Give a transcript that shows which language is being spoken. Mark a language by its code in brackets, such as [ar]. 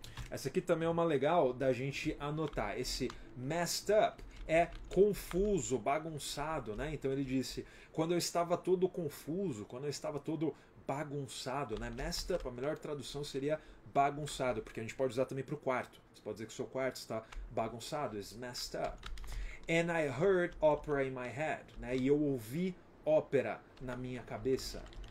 [pt] Essa aqui também é uma legal da gente anotar. Esse messed up é confuso, bagunçado, né? Então ele disse: quando eu estava todo confuso, quando eu estava todo bagunçado, né? Messed up, a melhor tradução seria bagunçado, porque a gente pode usar também para o quarto. Você pode dizer que o seu quarto está bagunçado, it's messed up. [en] And I heard opera in my head, né? [pt] E eu ouvi ópera na minha cabeça.